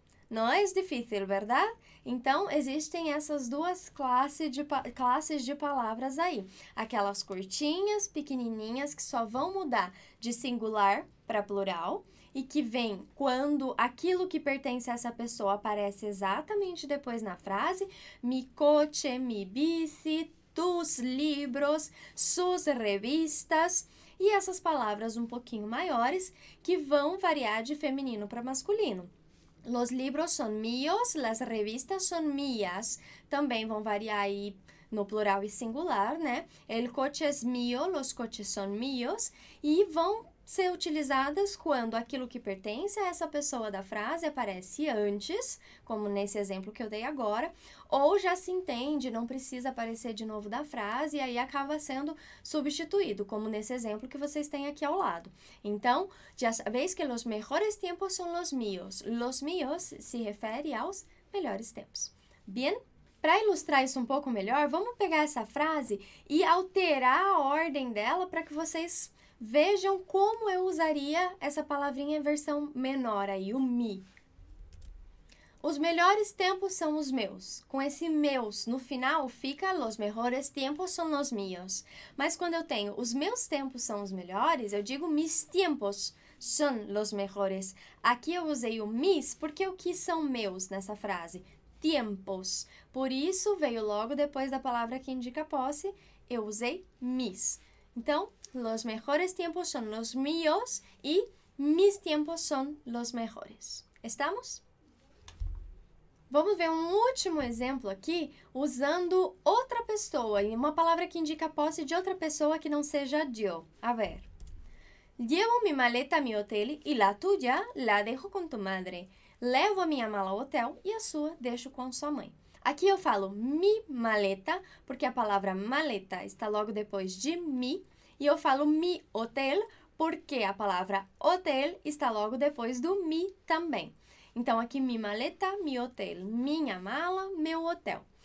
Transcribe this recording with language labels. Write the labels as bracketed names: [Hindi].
[Portuguese] Não é difícil, verdade? Então, existem essas duas classes de palavras aí. Aquelas curtinhas, pequenininhas, que só vão mudar de singular para plural. e que vem quando aquilo que pertence a essa pessoa aparece exatamente depois na frase. [Spanish] Mi coche, mi bici, tus libros, sus revistas. [Portuguese] E essas palavras um pouquinho maiores que vão variar de feminino para masculino. [Spanish] Los libros son míos, las revistas son mías. [Portuguese] Também vão variar aí no plural e singular, né? [Spanish] El coche es mío, los coches son míos. [Portuguese] E vão ser utilizadas quando aquilo que pertence a essa pessoa da frase aparece antes, como nesse exemplo que eu dei agora, ou já se entende, não precisa aparecer de novo da frase, e aí acaba sendo substituído, como nesse exemplo que vocês têm aqui ao lado. [Spanish] Então, já sabéis que los mejores tiempos son los míos. Los míos [Portuguese] se refere aos melhores tempos. [Spanish] Bien? [Portuguese] Para ilustrar isso um pouco melhor, vamos pegar essa frase e alterar a ordem dela para que vocês vejam como eu usaria essa palavrinha em versão menor aí, o mi. Os melhores tempos são os meus. Com esse meus no final fica [Spanish] los mejores tiempos son los míos. [Portuguese] Mas quando eu tenho os meus tempos são os melhores, eu digo [Spanish] mis tiempos son los mejores. [Portuguese] Aqui eu usei o mis porque o que são meus nessa frase? Tiempos. Por isso veio logo depois da palavra que indica posse, eu usei mis. [Spanish] Então, los mejores tiempos son los míos y mis tiempos son los mejores. ¿Estamos? [Portuguese] Vamos ver um último exemplo aqui usando outra pessoa e uma palavra que indica a posse de outra pessoa que não seja yo. [Spanish] A ver. Llevo mi maleta a mi hotel y la tuya la dejo con tu madre. [Portuguese] Levo a minha mala ao hotel e a sua deixo com sua mãe. Aqui eu falo [Spanish] mi maleta [Portuguese] porque a palavra maleta está logo depois de mi. E eu falo [Spanish] mi hotel [Portuguese] porque a palavra hotel está logo depois do mi também. Então, aqui [Spanish] mi maleta, mi hotel, [Portuguese] minha mala, meu hotel.